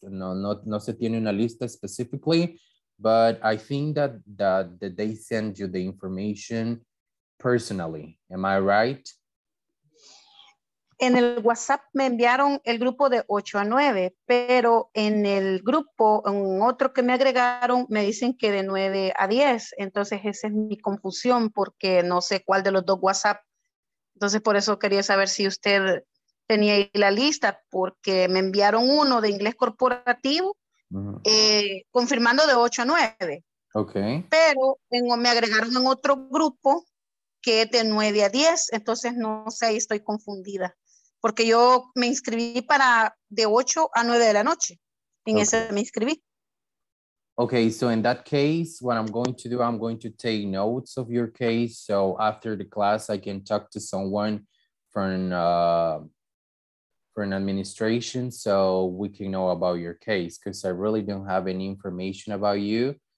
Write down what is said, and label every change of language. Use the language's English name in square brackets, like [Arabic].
[Spanish] No se tiene una lista [English] specifically, but I think that they send you the information personally. Am I right? [Spanish] En el WhatsApp me enviaron el grupo de 8 a 9, pero en el grupo, en otro que me agregaron, me dicen que de 9 a 10. Entonces, esa es mi confusión porque no sé cuál de los dos WhatsApp. Entonces, por eso quería saber si usted tenía ahí la lista, porque me enviaron uno de inglés corporativo, uh-huh. Confirmando de 8 a 9. Ok. Pero me agregaron en otro grupo que es de 9 a 10, entonces no sé, estoy confundida, porque yo me inscribí para de 8 a 9 de la noche, en ese me inscribí. [English] Okay, so in that case, what I'm going to do, I'm going to take notes of your case, so after the class, I can talk to someone from administration, so we can know about your case, because I really don't have any information about you.